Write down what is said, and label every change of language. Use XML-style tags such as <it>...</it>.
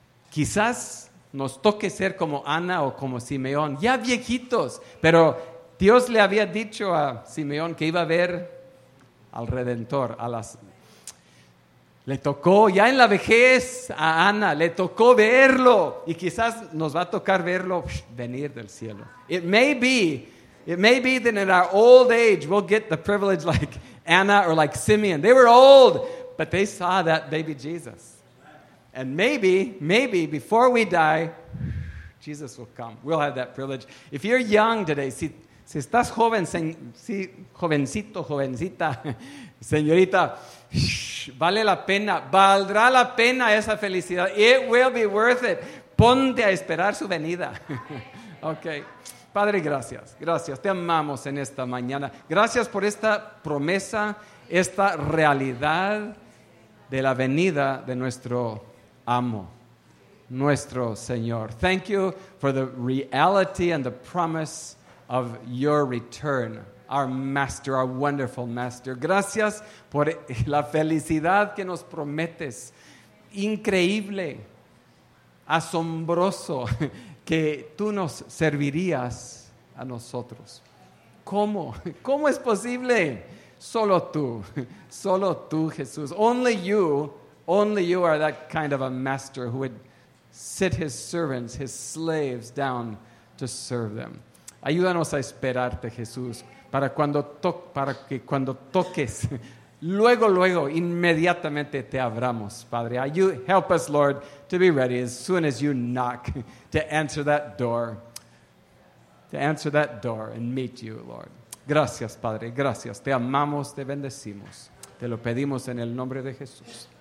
<es>Quizás nos toque ser como Ana o como Simeón, ya viejitos, pero Dios le había dicho a Simeón que iba a ver al Redentor, le tocó ya en la vejez a Ana, le tocó verlo, y quizás nos va a tocar verlo venir del cielo.</es> <en>It may be that in our old age we'll get the privilege like Anna or like Simeon. They were old, but they saw that baby Jesus. And maybe before we die, Jesus will come. We'll have that privilege. If you're young today,</en> <es>si estás joven, jovencita, señorita, vale la pena, valdrá la pena esa felicidad.</es> <en>It will be worth it.</en> <es>Ponte a esperar su venida. Okay. Padre, gracias. Gracias. Te amamos en esta mañana. Gracias por esta promesa, esta realidad de la venida de nuestro amo, nuestro Señor.</es> <en>Thank you for the reality and the promise of your return, our Master, our wonderful Master.</en> <es>Gracias por la felicidad que nos prometes. Increíble, asombroso, que tú nos servirías a nosotros. ¿Cómo? ¿Cómo es posible? Solo tú, Jesús.</es> <en>Only you are that kind of a Master who would sit his servants, his slaves down to serve them.</en> <es>Ayúdanos a esperarte, Jesús, para que cuando toques, luego, inmediatamente te abramos, Padre.</es> <en>Help us, Lord, to be ready as soon as you knock to answer that door and meet you, Lord.</en> <es>Gracias, Padre, gracias. Te amamos, te bendecimos. Te lo pedimos en el nombre de Jesús.</es>